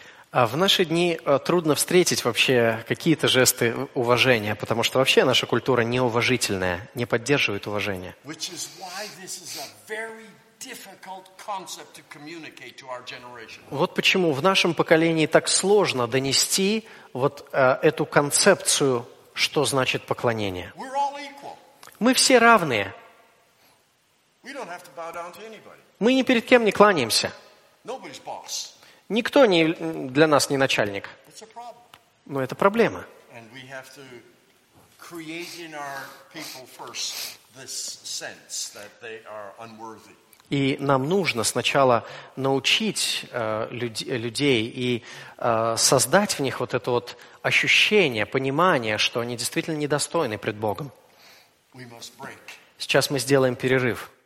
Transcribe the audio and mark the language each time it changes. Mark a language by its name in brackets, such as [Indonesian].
[Russian] В наши дни трудно встретить вообще какие-то жесты уважения, потому что вообще наша культура неуважительная, не поддерживает уважение. [English] Which is why this is a very difficult concept to communicate to our generation. [Russian] Вот почему в нашем поколении так сложно донести вот эту концепцию, что значит поклонение. [English] We're all equal. [Russian] Мы все равные. [English] We don't have to bow down to anybody. [Russian] Мы ни перед кем не кланяемся. [English] Nobody's boss. [Russian] Никто не, для нас не начальник. [English] It's a problem. [Russian] Но это проблема. [English] And we have to create in our people first this sense that they are unworthy. [Russian] И нам нужно сначала научить людей и создать в них вот это вот ощущение, понимание, что они действительно недостойны пред Богом. [English] We must break. [Russian] Сейчас мы сделаем перерыв.